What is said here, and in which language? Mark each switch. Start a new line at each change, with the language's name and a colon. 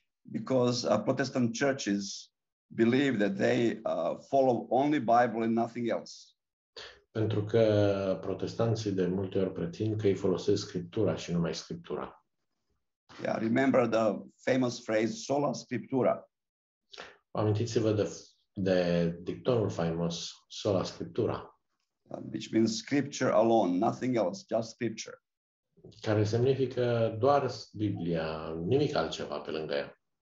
English: Because Protestant churches believe that they follow only Bible and nothing else.
Romanian: Pentru că protestanții de multe ori pretind că îi folosesc Scriptura și numai Scriptura.
English: Yeah, remember the famous phrase sola scriptura.
Romanian: Amintiți-vă de dictonul faimos sola scriptura.
English: Which means scripture alone, nothing else, just scripture.
Romanian: Care semnifică doar Biblia, nimic altceva pe lângă ea.